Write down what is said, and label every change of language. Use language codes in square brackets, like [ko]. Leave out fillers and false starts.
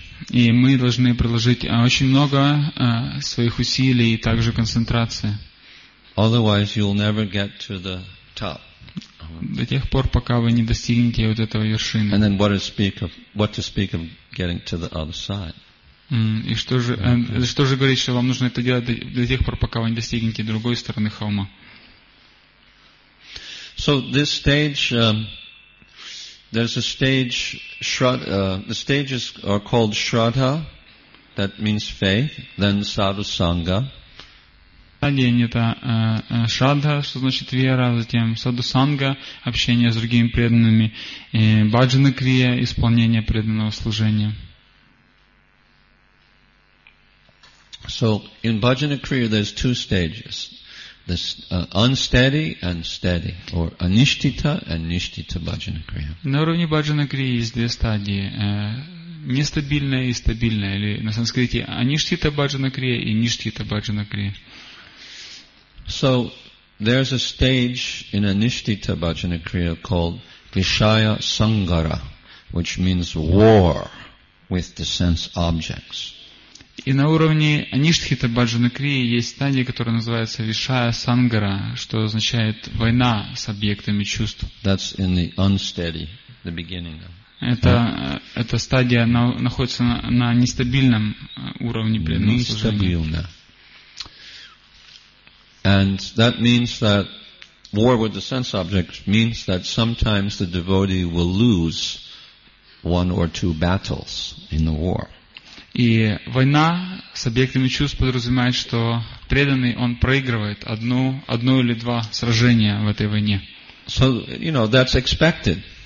[ru] И мы должны приложить очень много своих усилий и также концентрации. [en] Otherwise, you'll never get to the top. [ru] До тех пор, пока вы не достигнете вот этого вершины. [en] And then what to speak of getting to the other side. [ru] И что же говорить, что вам нужно это делать до тех пор, пока вы не достигнете другой стороны холма? [en] So this stage, there's a stage, the stages are called Shraddha, that means faith, then Sadhu Sangha. [ru] Это Shraddha, что значит вера, затем Sadhu Sangha, общение с другими преданными, Bhajana Kriya, исполнение преданного служения. [en] So in Bhajana Kriya there's two stages, this unsteady and steady, or anishtita and nishtita Bhajana Kriya. [ru] На уровне Bhajana Kriya есть две стадии, нестабильная и стабильная, или на санскрите anishtita Bhajana Kriya и nishtita Bhajana Kriya. [en] So there's a stage in anishtita Bhajana Kriya called Vishaya Sangara, which means war with the sense objects. [ru] И на уровне Аништхита Бхаджана Крии есть стадия, которая называется Вишая Сангара, что означает война с объектами чувств. [en] That's in the unsteady, the beginning of. [ru] Это стадия находится на нестабильном уровне преданного служения. [en] And that means that war with the sense objects means that sometimes the devotee will lose one or two battles in the war. [ru] И война с объектами чувств подразумевает, что преданный он проигрывает одно или два сражения в этой войне. [en] So, you know, that's expected.